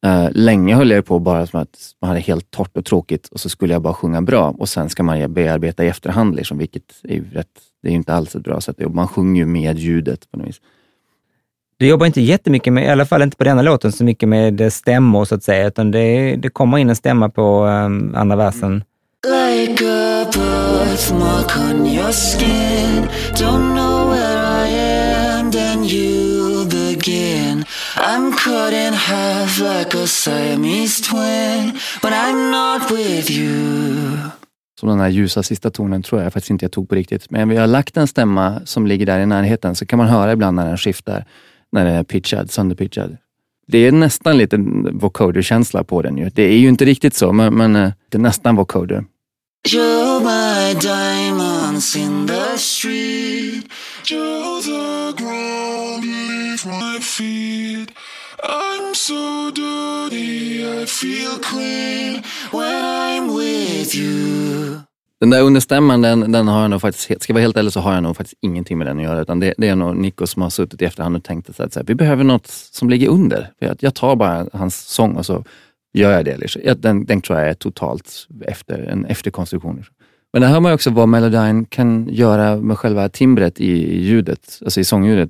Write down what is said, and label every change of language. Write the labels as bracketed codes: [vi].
[sv] Länge höll jag på bara som att man hade helt torrt och tråkigt och så skulle jag bara sjunga bra och sen ska man bearbeta i efterhand liksom, vilket är ju rätt, det är ju inte alls ett bra sätt att jobba. Man sjunger ju med ljudet på något vis. Du jobbar inte jättemycket med, i alla fall inte på denna låten, så mycket med stämmor så att säga, utan det kommer in en stämma på andra versen. [en] Like a birthmark on your skin, don't know where I am, then you begin. I'm cut in half like a Siamese twin, but I'm not with you. [sv] Som den här ljusa sista tonen tror jag faktiskt inte jag tog på riktigt. Men vi har lagt en stämma som ligger där i närheten, så kan man höra ibland när den skiftar, när den är pitchad, sönderpitchad. Det är nästan lite vocoder-känsla på den ju. Det är ju inte riktigt så, men det är nästan vocoder. [en] You're my diamonds in the street, you're the ground beneath my feet. I'm so dirty, I feel clean when I'm with you. [sv] Den där understämman, den har jag nog faktiskt, ska vara helt ärlig, så har jag nog faktiskt ingenting med den att göra, utan det är nog Nico som har suttit i efterhand och tänkt att vi behöver något som ligger under. Jag tar bara hans sång och så gör jag det. Den tror jag är totalt en efterkonstruktion. Men det här man ju också vad Melodyne kan göra med själva timbret i ljudet, alltså i sångljudet.